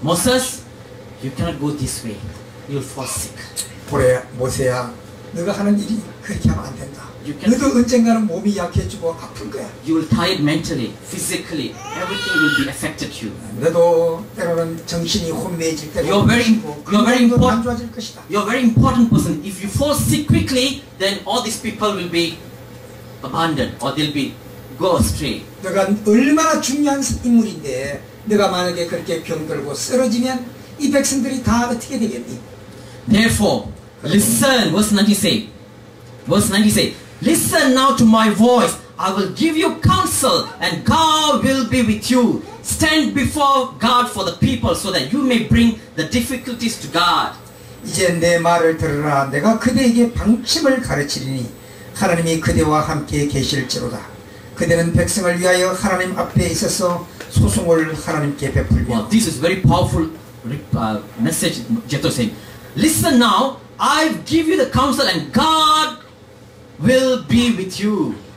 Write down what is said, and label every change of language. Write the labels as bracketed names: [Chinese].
[English] Moses, you cannot go this way. You'll fall sick. [Korean] 그래, 모세야, 너가 하는 일이 그렇게 하면 안 된다. 너도 언젠가는 몸이 약해지고 아픈 거야. [English] You'll tired mentally, physically. Everything will be affected you. [Korean] 너도 때로는 정신이 혼미해질 때. [English] You're very important person. If you fall sick quickly, then all these people will be abandoned or they'll be go astray. [Korean] 너가 얼마나 중요한 인물인데, 너가 만약에 그렇게 병들고 쓰러지면. 이 백성들이 다 어떻게 되겠니? [English] Therefore, listen, verse 96. Verse 96. Listen now to my voice. I will give you counsel, and God will be with you. Stand before God for the people, so that you may bring the difficulties to God. [Korean] 이제 내 말을 들으라. 내가 그대에게 방침을 가르치리니 하나님이 그대와 함께 계실지로다. 그대는 백성을 위하여 하나님 앞에 있어서 소송을 하나님께 베풀며. [English] Well, this is very powerful. Message Jethro saying, listen now, I give you the counsel and God will be with you.